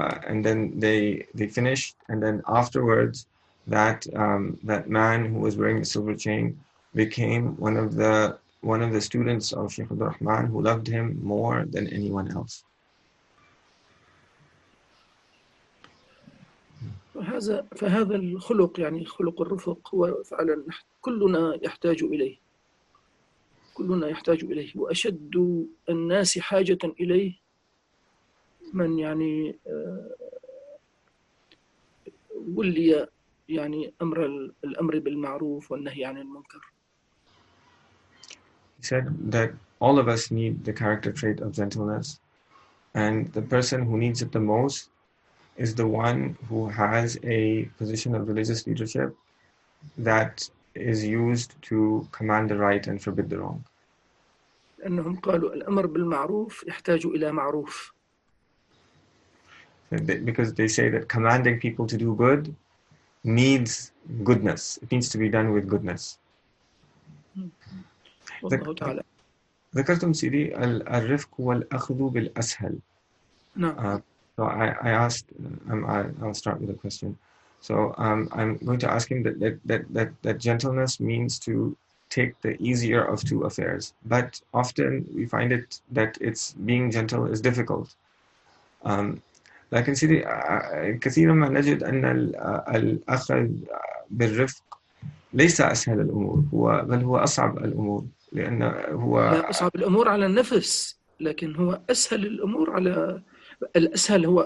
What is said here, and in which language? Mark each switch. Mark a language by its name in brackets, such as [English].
[English] And then they finished, and then afterwards, that man who was wearing the silver chain became one of the students of Sheikh Abdul Rahman, who loved him more than anyone else. [Arabic] فهذا الخلق يعني خلق الرفق هو فعلا كلنا يحتاج إليه, كلنا يحتاج إليه, وأشد الناس حاجة إليه من يعني ولي يعني الأمر بالمعروف والنهي عن المنكر. [English] He said that all of us need the character trait of gentleness, and the person who needs it the most is the one who has a position of religious leadership that is used to command the right and forbid the wrong. [Arabic] لأنهم قالوا الأمر بالمعروف يحتاج إلى معروف. [English] Because they say that commanding people to do good needs goodness. It needs to be done with goodness. [Arabic] ذكرتم سيدي الرفق والأخذ بالأسهل. [English] So I'll start with a question. So I'm going to ask him that gentleness means to take the easier of two affairs. But often we find it that it's being gentle is difficult. [Arabic] لكن سيدي كثيرا ما نجد أن الأخذ بالرفق ليس أسهل الأمور, بل هو أصعب الأمور, لأنه هو أصعب الأمور على النفس, لكن هو أسهل الأمور على الأسهل.